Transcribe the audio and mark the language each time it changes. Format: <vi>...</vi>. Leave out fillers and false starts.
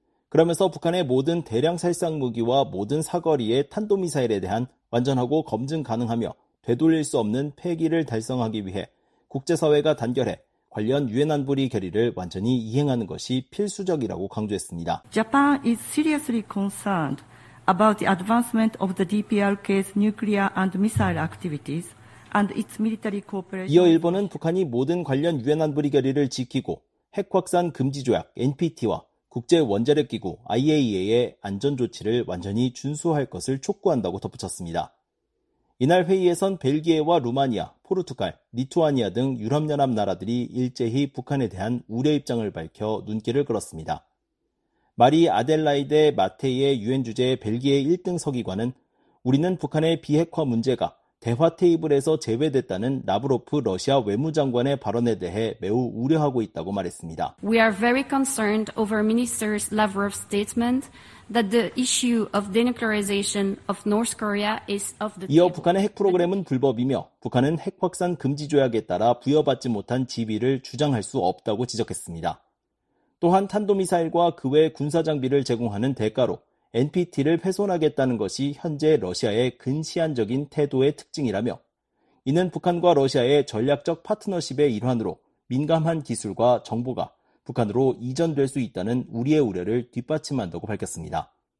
<ko>그러면서 북한의 모든 대량 살상무기와 모든 사거리의 탄도미사일에 대한 완전하고 검증 가능하며 되돌릴 수 없는 폐기를 달성하기 위해 국제사회가 단결해 관련 유엔 안보리 결의를 완전히 이행하는 것이 필수적이라고 강조했습니다.</ko> <en>Japan is seriously concerned about the advancement of the DPRK's nuclear and missile activities.</en> <ko>이어 일본은 북한이 모든 관련 유엔 안보리 결의를 지키고 핵확산 금지조약 NPT와 국제원자력기구 IAEA의 안전조치를 완전히 준수할 것을 촉구한다고 덧붙였습니다. 이날 회의에선 벨기에와 루마니아, 포르투갈, 리투아니아 등 유럽연합 나라들이 일제히 북한에 대한 우려 입장을 밝혀 눈길을 끌었습니다. 마리 아델라이데 마테이의 유엔 주재 벨기에 1등 서기관은 우리는 북한의 비핵화 문제가 대화 테이블에서 제외됐다는 라브로프 러시아 외무장관의 발언에 대해 매우 우려하고 있다고 말했습니다.</ko> <en>We are very concerned over Minister Lavrov's statement that the issue of denuclearization of North Korea is of the table.</en> <ko>이어 북한의 핵 프로그램은 불법이며 북한은 핵 확산 금지 조약에 따라 부여받지 못한 지위를 주장할 수 없다고 지적했습니다. 또한 탄도미사일과 그 외 군사 장비를 제공하는 대가로 NPT를 훼손하겠다는 것이 현재 러시아의 근시안적인 태도의 특징이라며 이는 북한과 러시아의 전략적 파트너십의 일환으로 민감한 기술과 정보가 북한으로 이전될 수 있다는 우리의 우려를 뒷받침한다고 밝혔습니다.</ko>